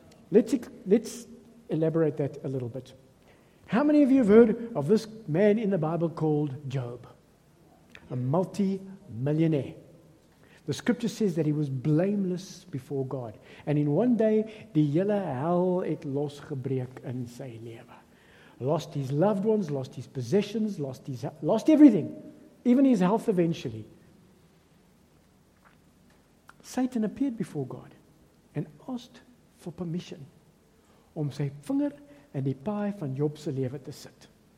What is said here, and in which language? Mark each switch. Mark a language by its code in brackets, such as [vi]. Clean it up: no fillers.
[en] Let's elaborate that a little bit. How many of you have heard of this man in the Bible called Job? A multi-millionaire. The scripture says that he was blameless before God. And in one day, [af] die hele hel het losgebreek in sy lewe. [en] Lost his loved ones, lost his possessions, lost everything, even his health eventually. Satan appeared before God and asked for permission [af] om sy vinger in die paai van Job se lewe te sit.